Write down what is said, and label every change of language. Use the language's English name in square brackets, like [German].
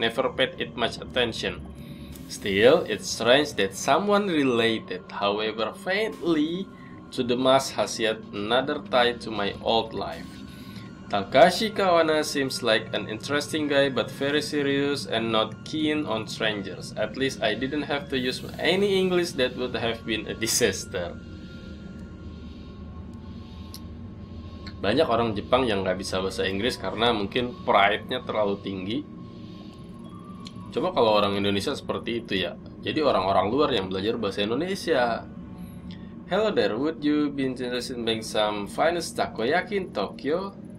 [English] Never paid it much attention. Still, it's strange that someone related, however faintly, to the mask has yet another tie to my old life. Takashi Kawana seems like an interesting guy, but very serious and not keen on strangers. At least I didn't have to use any English, that would have been a disaster. [Indonesian] Banyak orang Jepang yang nggak bisa bahasa Inggris karena mungkin pride-nya terlalu tinggi. Coba kalau orang Indonesia seperti itu ya. Jadi orang-orang luar yang belajar bahasa Indonesia. [English] Hello there, would you be interested in buying some finest takoyaki in Tokyo?